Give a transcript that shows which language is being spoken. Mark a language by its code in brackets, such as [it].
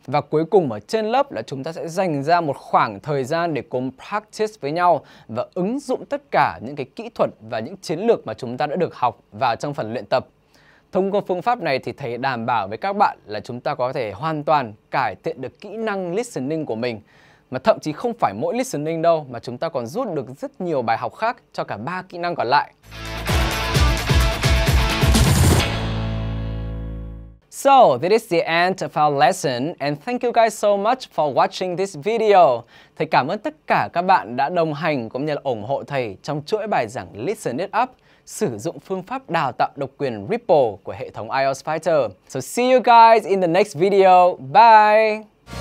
[vi] Và cuối cùng ở trên lớp là chúng ta sẽ dành ra một khoảng thời gian để cùng practice với nhau và ứng dụng tất cả những cái kỹ thuật và những chiến lược mà chúng ta đã được học vào trong phần luyện tập. Thông qua phương pháp này thì thầy đảm bảo với các bạn là chúng ta có thể hoàn toàn cải thiện được kỹ năng listening của mình. Mà thậm chí không phải mỗi listening đâu, mà chúng ta còn rút được rất nhiều bài học khác cho cả 3 kỹ năng còn lại. [en] So, this is the end of our lesson and thank you guys so much for watching this video. [vi] Thầy cảm ơn tất cả các bạn đã đồng hành cũng như là ủng hộ thầy trong chuỗi bài giảng Listen It Up, sử dụng phương pháp đào tạo độc quyền Ripple của hệ thống IELTS Fighter. [en] So see you guys in the next video. Bye!